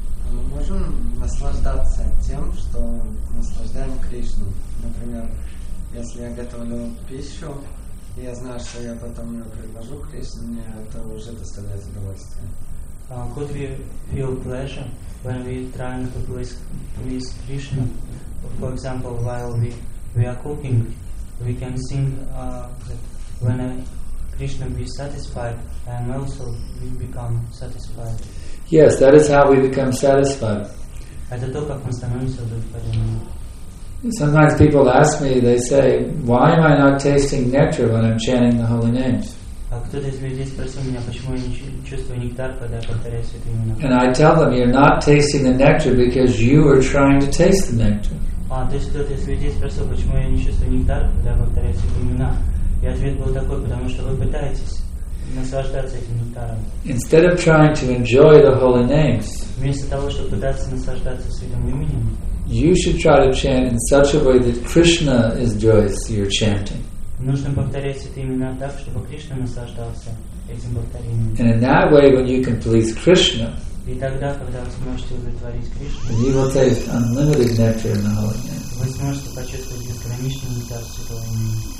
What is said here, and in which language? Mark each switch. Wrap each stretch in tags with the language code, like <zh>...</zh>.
<ru>Мы можем наслаждаться тем, что наслаждаем Кришну. Например, если я готовлю пищу, и я знаю, что я потом ее предложу Кришне, мне это уже доставляет удовольствие.</ru> <en>Could we feel pleasure when we try to please Krishna? For example, while we are cooking, we can think that when I Krishna be satisfied, and also we become satisfied. Yes, that is how we become satisfied.</en> <ru>Это то, как мы становимся удовлетворенными.</ru> <en>Sometimes people ask me, they say, why am I not tasting nectar when I'm chanting the holy names?</en> <ru>А кто-то из людей спросил меня, почему я не чувствую нектар, когда я повторяю святые имена.</ru> <en>And I tell them, you're not tasting the nectar because you are trying to taste the nectar.</en> <ru>А то есть кто-то из людей спросил, почему я не чувствую нектар, когда я повторяю святые имена. И ответ был такой, потому что вы пытаетесь наслаждаться этим нектаром.</ru> <en>Instead of trying to enjoy the holy names,</en> <ru>вместо того, чтобы пытаться наслаждаться святым именем,</ru> <en>you should try to chant in such a way that Krishna is joyous you're chanting.</en> <ru>Нужно повторять святые имена так, чтобы Кришна наслаждался этим повторением.</ru> <en>And in that way, when you can please Krishna,</en> <ru>и тогда, когда вы сможете удовлетворить Кришну,</ru> <en>then you will taste unlimited nectar in the holy name.</en> <ru>Вы сможете почувствовать бесконечный нектар святого имени.</ru>